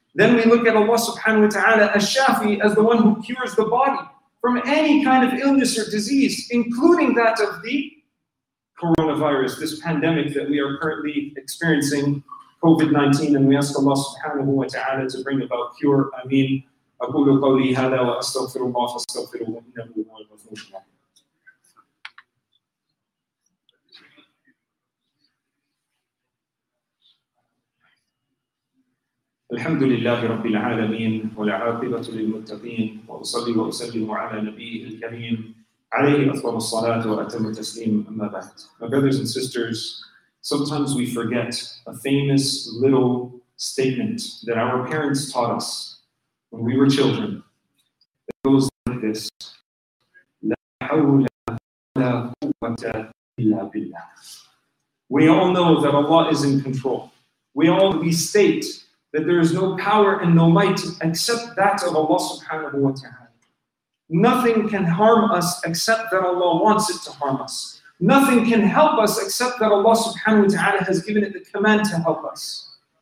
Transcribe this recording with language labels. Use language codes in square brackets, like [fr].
[en] Then we look at Allah subhanahu wa ta'ala as Shafi, as the one who cures the body from any kind of illness or disease, including that of the coronavirus, this pandemic that we are currently experiencing, COVID-19, and we ask Allah subhanahu wa ta'ala to bring about cure. Ameen. [ar] أقول قولي هذا وأستغفر الله فاستغفروه إنه هو الغفور الرحيم. الحمد لله رب العالمين والعاقبة للمتقين وأصلي وأسلم على نبيه الكريم عليه أفضل الصلاة وأتم التسليم أما بعد. [en] My brothers and sisters, sometimes we forget a famous little statement that our parents taught us when we were children. It goes like this: [ar] لا حول ولا قوة إلا بالله. [en] We all know that Allah is in control. We all state that there is no power and no might except that of Allah subhanahu wa ta'ala. Nothing can harm us except that Allah wants it to harm us. Nothing can help us except that Allah subhanahu wa ta'ala has given it the command to help us.